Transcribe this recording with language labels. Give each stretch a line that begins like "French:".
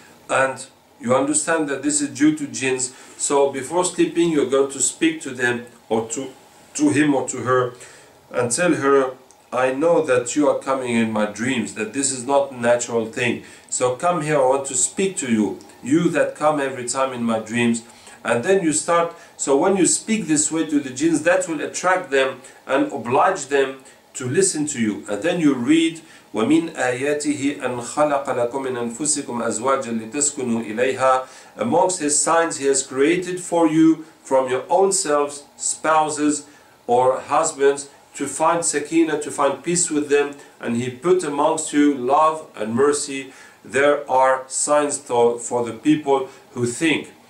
English: And you understand that this is due to jinns. So before sleeping, you're going to speak to them or to him or to her and tell her, I know that you are coming in my dreams, that this is not a natural thing. So come here, I want to speak to you, you that come every time in my dreams. And then you start, so when you speak this way to the jinns, that will attract them and oblige them to listen to you. And then you read,
Arabic: وَمِنْ آيَاتِهِ أَنْ خَلَقَ لَكُمْ مِنْ أَنفُسِكُمْ أَزْوَاجًا لِتَسْكُنُوا إِلَيْهَا.
English: Amongst his signs, he has created for you from your own selves, spouses or husbands, to find sakina, to find peace with them, and he put amongst you love and mercy. There are signs for the people who think.